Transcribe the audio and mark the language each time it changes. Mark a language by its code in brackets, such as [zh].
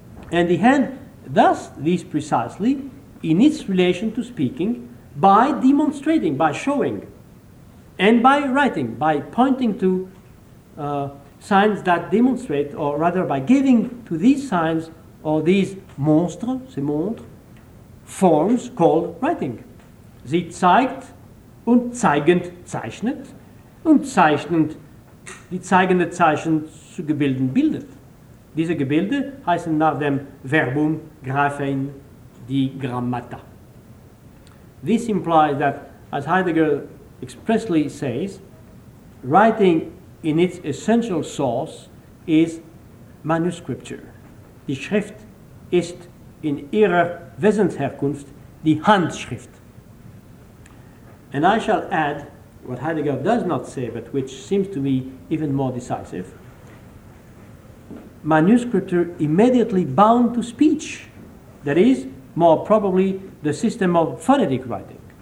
[en] And the hand does this precisely in its relation to speaking by demonstrating, by showing, and by writing, by pointing to signs that demonstrate, or rather by giving to these signs or these monstres, ces montres, forms called writing. [de] Sie zeigt und zeigend zeichnet und zeichnend die zeigende Zeichen zu Gebilden bildet. Diese Gebilde heißen nach dem Verbum Graphein die Grammata. [en] This implies that, as Heidegger expressly says, writing in its essential source is manuscripture. [de] Die Schrift ist in ihrer Wesensherkunft die Handschrift. [en] And I shall add what Heidegger does not say, but which seems to be even more decisive. Manuscripture immediately bound to speech, that is, more probably, the system of phonetic writing.